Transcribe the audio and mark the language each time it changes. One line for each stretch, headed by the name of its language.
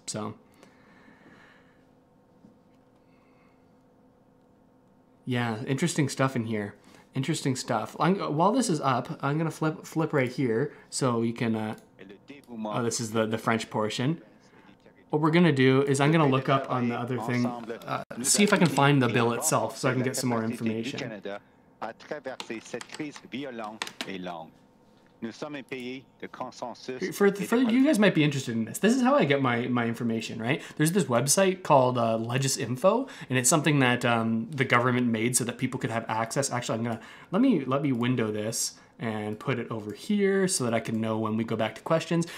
English: So, yeah, interesting stuff in here. Interesting stuff. While this is up, I'm going to flip right here so you can... this is the French portion. What we're going to do is I'm going to look up on the other thing, see if I can find the bill itself so I can get some more information.
French: Canada a traversé cette crise violente et longue. Nous sommes un pays de consensus.
English: For you guys might be interested in this. This is how I get my information, right? There's this website called LegisInfo, and it's something that the government made so that people could have access. Actually, I'm going to let me window this and put it over here so that I can know when we go back to questions.